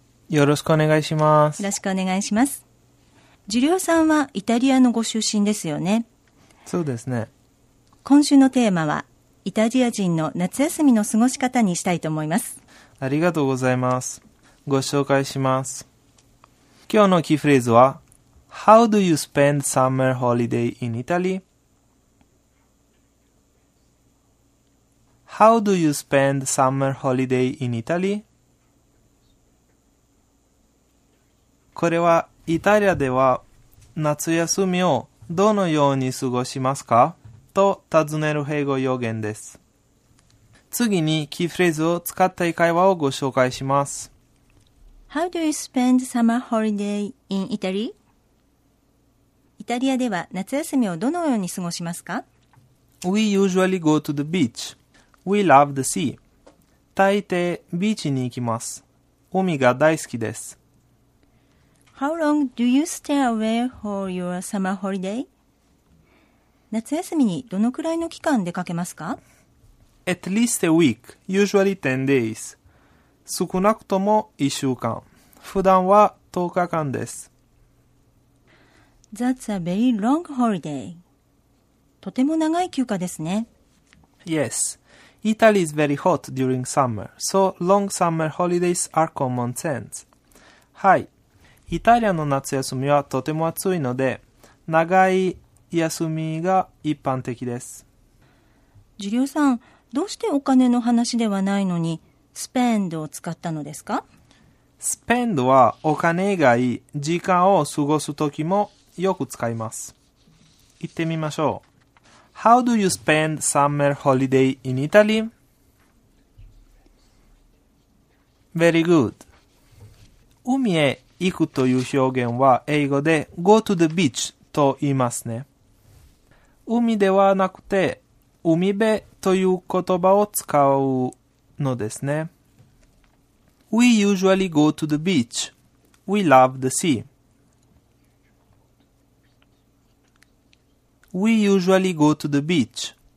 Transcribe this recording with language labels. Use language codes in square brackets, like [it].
[ja] よろしくお願いします。よろしくお願いします。ジリオさんはイタリアのご出身ですよね。そうですね。今週のテーマはイタリア人の夏休みの過ごし方にしたいと思います。ありがとうございます。ご紹介します。今日のキーフレーズは [en] How do you spend summer holiday in Italy? How do you spend summer holiday in Italy? [ja] これはイタリアでは夏休みをどのように過ごしますか? と尋ねる英語用言です。次にキーフレーズを使った会話をご紹介します。 [en] How do you spend summer holiday in Italy? [ja] イタリアでは夏休みをどのように過ごしますか? [en] We usually go to the beach. We love the sea. [ja] 大抵ビーチに行きます。海が大好きです。 [en] How long do you stay away for your summer holiday? [ja] 夏休みにどのくらいの期間出かけますか? [en] At least a week, usually 10 days. [ja] 少なくとも1週間。普段は10日間です。 [en] That's a very long holiday. [ja] とても長い休暇ですね。 [en] Yes. Italy is very hot during summer, so long summer holidays are common sense. [ja] はい。イタリアの夏休みはとても暑いので、長い休みが一般的です。ジリオさん、どうしてお金の話ではないのに spend を使ったのですか？ spend はお金以外、時間を過ごす時もよく使います。言ってみましょう。 [en] How do you spend summer holiday in Italy? Very good. [ja] 海へ行くという表現は英語で [en] go to the beach [ja] と言いますね。海ではなくて海辺という言葉を使うのですね。 [en] We usually go to the beach. We love the sea. We usually go to the beach.